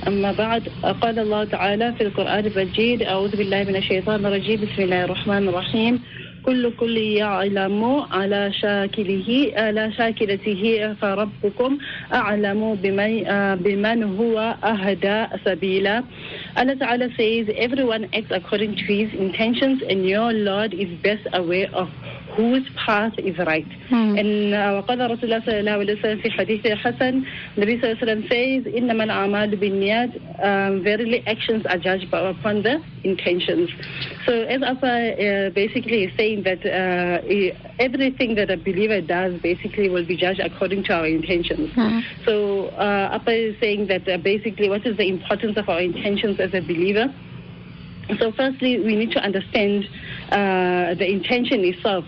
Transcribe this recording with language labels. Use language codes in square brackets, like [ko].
[ar] أما بعد، قال الله تعالى في القرآن المجيد: أعوذ بالله من الشيطان الرجيم، بسم الله الرحمن الرحيم. كل يعلم على شاكله على شاكلته فربكم أعلم بمن هو أهدى سبيلا. [en] Allah Ta'ala says, everyone acts according to his intentions, and your Lord is best aware of whose path is right. [ar] وقال رسول الله صلى الله عليه وسلم في حديث حسن، النبي صلى الله عليه وسلم says, إنما الأعمال بالنيات، [en] verily actions are judged upon the intentions. So as Allah basically is saying that everything that a believer does basically will be judged according to our intentions. So Allah is saying that basically what is the importance of our intentions as a believer. So firstly, we need to understand the intention itself.